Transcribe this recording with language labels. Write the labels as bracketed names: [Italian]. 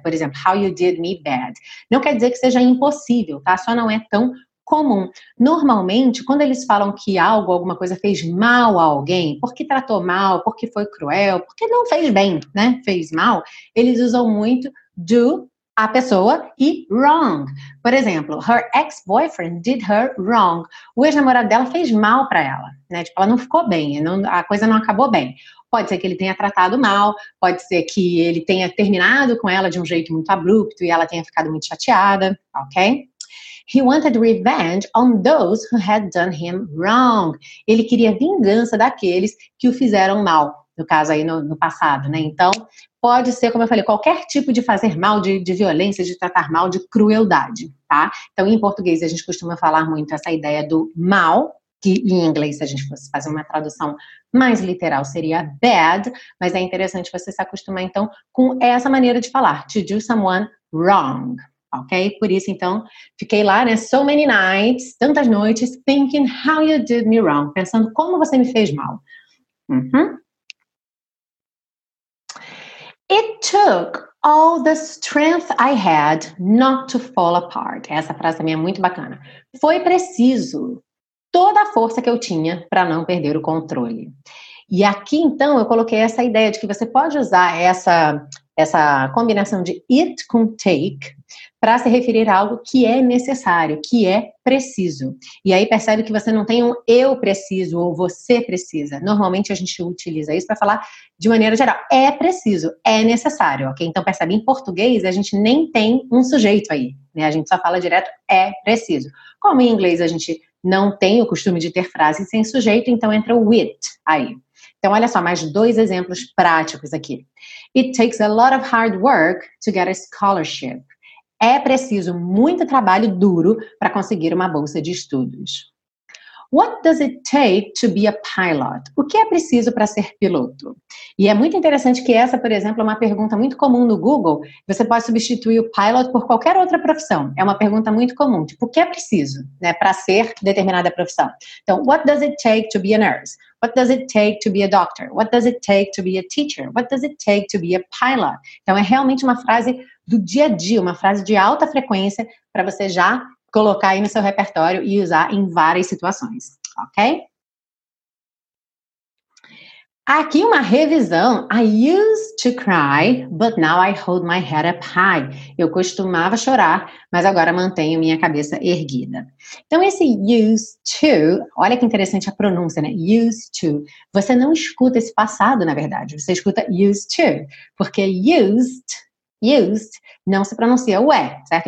[Portuguese] Por exemplo, [English] how you did me bad. [Portuguese] Não quer dizer que seja impossível, tá? Só não é tão comum. Normalmente, quando eles falam que algo, alguma coisa fez mal a alguém, porque tratou mal, porque foi cruel, porque não fez bem, né? Fez mal. Eles usam muito do a pessoa e wrong. Por exemplo, [English] her ex-boyfriend did her wrong. [Portuguese] O ex-namorado dela fez mal para ela, né? Tipo, ela não ficou bem, a coisa não acabou bem. Pode ser que ele tenha tratado mal, pode ser que ele tenha terminado com ela de um jeito muito abrupto e ela tenha ficado muito chateada, ok? [English] He wanted revenge on those who had done him wrong. [Portuguese] Ele queria vingança daqueles que o fizeram mal, no caso aí no passado, né? Então, pode ser, como eu falei, qualquer tipo de fazer mal, de violência, de tratar mal, de crueldade, tá? Então, em português, a gente costuma falar muito essa ideia do mal, que em inglês, se a gente fosse fazer uma tradução mais literal, seria bad, mas é interessante você se acostumar, então, com essa maneira de falar, [English] to do someone wrong, [Portuguese] ok? Por isso, então, fiquei lá, né, [English] so many nights, [Portuguese] tantas noites, [English] thinking how you did me wrong, [Portuguese] pensando como você me fez mal. Uhum. [English] It took all the strength I had not to fall apart. [Portuguese] Essa frase também é muito bacana. Foi preciso toda a força que eu tinha para não perder o controle. E aqui, então, eu coloquei essa ideia de que você pode usar essa combinação de it com take para se referir a algo que é necessário, que é preciso. E aí percebe que você não tem um eu preciso ou você precisa. Normalmente a gente utiliza isso para falar de maneira geral. É preciso, é necessário, ok? Então percebe, em português a gente nem tem um sujeito aí, né? A gente só fala direto é preciso. Como em inglês a gente não tem o costume de ter frases sem sujeito, então entra o it aí. Então olha só, mais dois exemplos práticos aqui. [English] It takes a lot of hard work to get a scholarship. [Portuguese] é preciso muito trabalho duro para conseguir uma bolsa de estudos. [English] What does it take to be a pilot? [Portuguese] O que é preciso para ser piloto? E é muito interessante que essa, por exemplo, é uma pergunta muito comum no Google. Você pode substituir o pilot por qualquer outra profissão. É uma pergunta muito comum. Tipo, o que é preciso, né, para ser determinada profissão? [English] Então, what does it take to be a nurse? What does it take to be a doctor? What does it take to be a teacher? What does it take to be a pilot? [Portuguese] Então, é realmente uma frase do dia a dia, uma frase de alta frequência para você já colocar aí no seu repertório e usar em várias situações, ok? Aqui uma revisão. [English] I used to cry, but now I hold my head up high. [Portuguese] Eu costumava chorar, mas agora mantenho minha cabeça erguida. Então, esse used to, olha que interessante a pronúncia, né? Used to. Você não escuta esse passado, na verdade. Você escuta used to, porque used, não se pronuncia o E, certo?